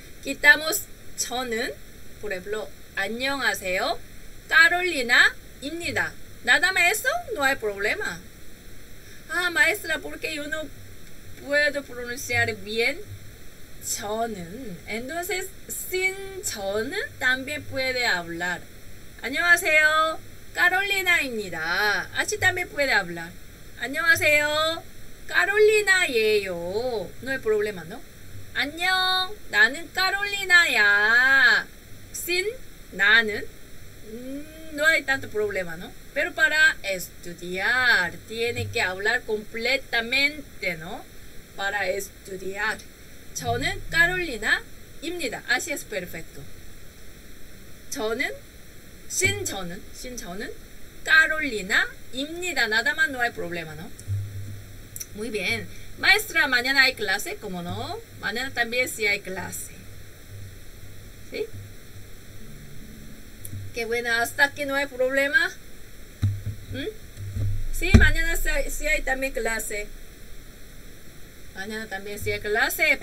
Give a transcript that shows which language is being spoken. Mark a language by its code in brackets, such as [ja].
[es] Quitamos 저는, por ejemplo, [ko] 안녕하세요, 카롤리나입니다. [es] Nada más eso, no hay problema. Ah, maestra, ¿por qué yo no puedo pronunciar bien 저는? Entonces, sin 저는 también puede hablar. [ko] 안녕하세요, 카롤리나입니다. [es] Así también puede hablar. [ko] 안녕하세요, 카롤리나예요. [es] No hay problema, ¿no? [ko] 안녕, 나는 카롤리나야. [es] Sin 나는, no hay tanto problema, ¿no? Pero para estudiar, tiene que hablar completamente, ¿no? Para estudiar. [ko] 저는 카롤리나입니다. [es] Así es perfecto. [ko] 저는, sin 저는, 카롤리나입니다. [es] Nada más, no hay problema, ¿no? Muy bien. Maestra, mañana hay clase, ¿cómo no? Mañana también sí hay clase. ¿Sí? Qué bueno, hasta aquí no hay problema. Sí, mañana sí hay también clase. Mañana también sí hay clase.